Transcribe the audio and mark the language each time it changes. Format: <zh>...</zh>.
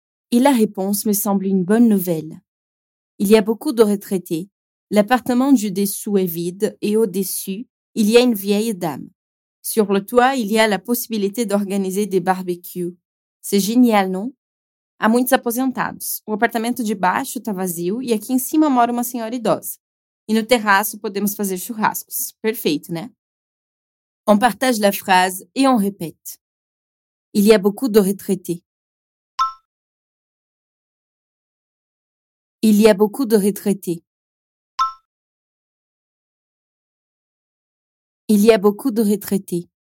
<fr>Et la réponse me semble une bonne nouvelle. Il y a beaucoup de retraités. L'appartement du dessous est vide et au-dessus, il y a une vieille dame. Sur le toit, il y a la possibilité d'organiser des barbecues. C'est génial, non?</fr> <pt>Há muitos aposentados. O apartamento de baixo está vazio e aqui em cima mora uma senhora idosa. E no terraço podemos fazer churrascos. Perfeito, né?</pt> <fr>On partage la phrase et on répète. Il y a beaucoup de retraités. Il y a beaucoup de retraités. Il y a beaucoup de retraités.</fr>